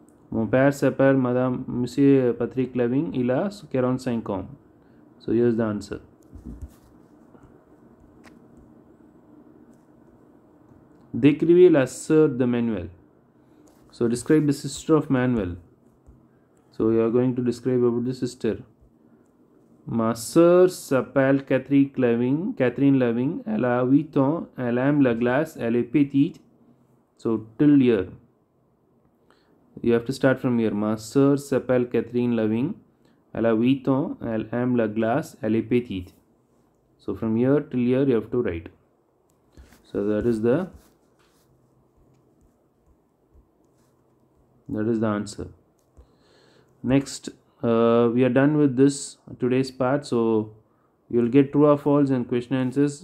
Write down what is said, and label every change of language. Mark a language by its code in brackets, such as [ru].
[fr] Mon père s'appelle Madame Monsieur Patrick Loving. Il a 45 ans. [en] So here's the answer. [fr] Décrivez la sœur de Manuel. [en] So describe the sister of Manuel. So you are going to describe about the sister. [fr] Ma sœur s'appelle Catherine Loving, elle a 8 ans, elle aime la glace, elle est petite. [en] So, till here. You have to start from here. [fr] Ma sœur s'appelle Catherine Loving, elle a 8 ans, elle aime la glace, elle est petite. [en] So, from here till here, you have to write. So, that is the answer. Next. We are done with this today's part, so you'll get true or false and question answers.